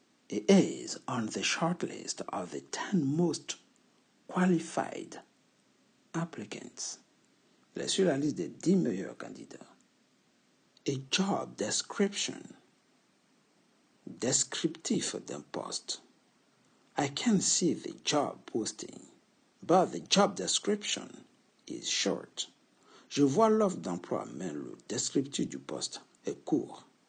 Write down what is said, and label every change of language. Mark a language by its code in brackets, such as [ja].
[en] It is on the short list of the 10 most qualified applicants. [fr] Il est sur la liste des 10 meilleurs candidats. [en] A job description. [fr] Descriptif d'un poste. [en] I can see the job posting, but the job description is short. [fr] Je vois l'offre d'emploi, mais le descriptif du poste est court.